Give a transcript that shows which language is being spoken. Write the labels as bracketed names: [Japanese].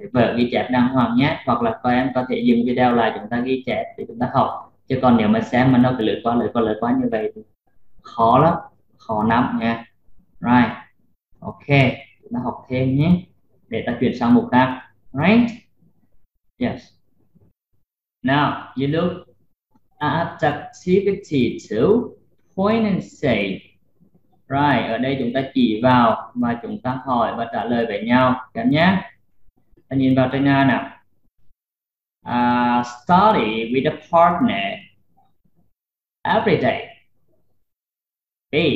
[Vietnamese] Vở ghi chép đàng hoàng nhé. Hoặc là các em có thể dừng video lại chúng ta ghi chép để chúng ta học. Chứ còn nếu mà xem mà nó cứ lướt qua như vậy thì khó lắm, khó nắm nha. Right. Ok, chúng ta học thêm nhé. Để ta chuyển sang mục khác. [English] Right. Yes. Now, you look at activity 2, point and say. [Vietnamese] Right, ở đây chúng ta chỉ vào mà chúng ta hỏi và trả lời với nhau các nhé. Ta nhìn vào trên nào. [English] Study with a partner every day. B.